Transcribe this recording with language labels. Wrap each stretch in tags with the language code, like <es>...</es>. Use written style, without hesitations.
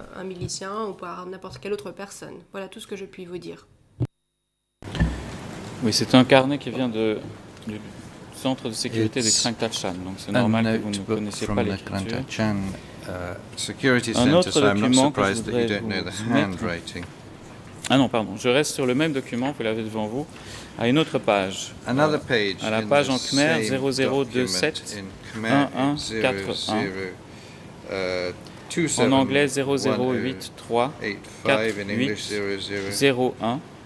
<fr>Un milicien ou par n'importe quelle autre personne. Voilà tout ce que je puis vous dire. Oui, c'est un carnet qui vient du centre de sécurité de Krangtachan. Donc c'est normal que vous ne connaissiez pas l'écriture.</fr> <en>Security center, so I'm not surprised that you don't know the handwriting.</en> <fr>Ah non, pardon, je reste sur le même document, vous l'avez devant vous, à une autre page.</fr> <en>Another page.</en> <fr>À la page en Khmer 0027-1141. En anglais 0083-4801.</fr>